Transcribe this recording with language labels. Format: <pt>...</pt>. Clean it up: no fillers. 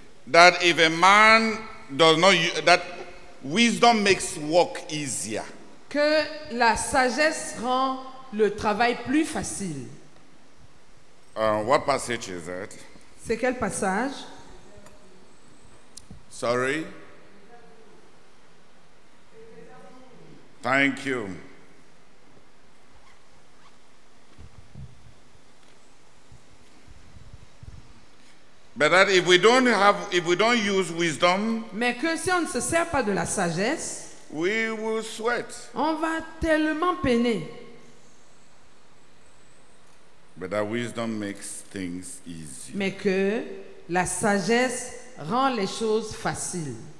<en>that if a man does not, that wisdom makes work easier.</en> <fr>Que la sagesse rend le travail plus facile.</fr> <en>What passage is that?</en> <fr>C'est quel passage?</fr> <en>Sorry. Thank you. But that if we don't have, if we don't use wisdom,</en> <fr>mais que si on ne se sert pas de la sagesse,</fr> <en>we will sweat.</en> <fr>On va tellement peiner.</fr> <en>But that wisdom makes things easy.</en> <fr>Mais que la sagesse rend les choses faciles.</fr>